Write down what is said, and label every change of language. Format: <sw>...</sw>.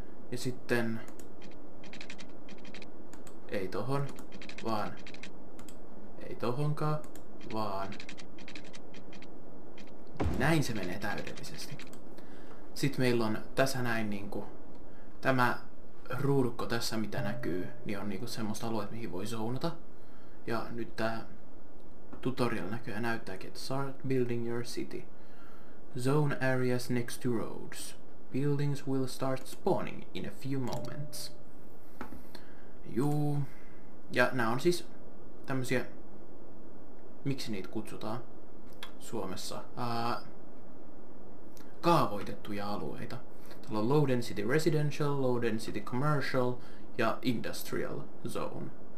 <fi>Ja sitten ei tohon, vaan ei tohonkaan, vaan näin se menee täydellisesti. Sitten meillä on tässä näin niinku tämä ruudukko tässä, mitä näkyy, niin on niinku semmoista alueet, mihin voi zoonata. Ja nyt tää tutorial näkyy ja näyttääkin, että</fi> <en>start building your city. Zone areas next to roads. Buildings will start spawning in a few moments.</en> <fi>Juu. Ja nää on siis tämmösiä, miksi niitä kutsutaan Suomessa? Kaavoitettuja alueita. Täällä on Loden City Residential, Loden City Commercial ja Industrial Zone.</fi>